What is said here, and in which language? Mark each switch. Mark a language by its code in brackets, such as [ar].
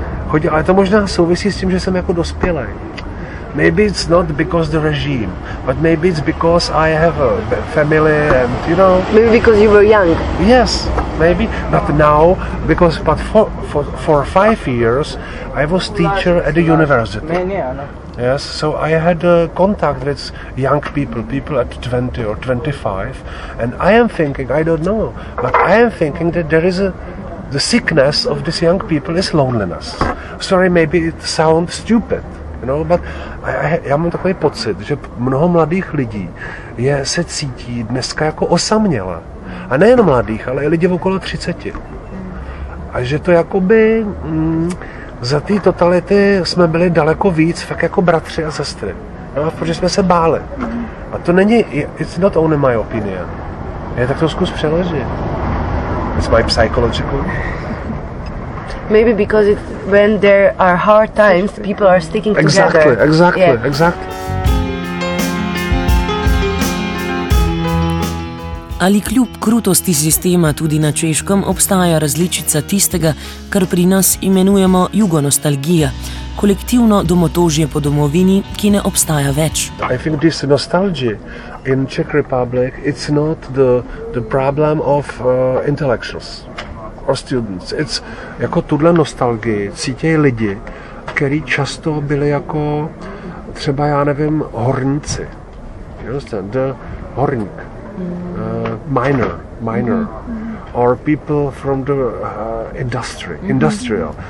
[cs] Chodil, ale to možná souvisí s tím, že jsem jako dospělej. [en] Maybe it's not because the regime, but maybe it's because I have a family and, you know. Maybe because you were young. Yes, maybe. But now, because but for 5 years, I was teacher at the university. Yes, so I had contact with young people, people at 20 or 25. And I am thinking, I don't know, but I am thinking that there is a... The sickness of these young people is loneliness. Sorry, maybe it sounds stupid. [cs] No, but já mám takový pocit, že mnoho mladých lidí se cítí dneska jako osamělé. A nejen mladých, ale i lidi okolo 30. A že to jakoby za té totality jsme byli daleko víc, fakt jako bratři a sestry. No, protože jsme se báli. A to není, [en] it's not only my opinion. [cs] Já tak to zkus přeložit. [en] It's my psychological. Maybe because it, when there are hard times, people are sticking exactly, together. Exactly, yeah. Exactly. [sl] Ali kljub krutosti sistema tudi na Češkem obstaja različica tistega, kar pri nas imenujemo jugonostalgija, kolektivno domotožje po domovini, ki ne obstaja več. [en] I think this nostalgia in Czech Republic, it's not the problem of intellectuals. Or students. It's [cs] jako tuhle nostalgii cítí lidi, kteří často byli jako třeba, já nevím, horníci. [en] You understand? The horník. Miner. Mm-hmm. Or people from the industry. Mm-hmm. Industrial.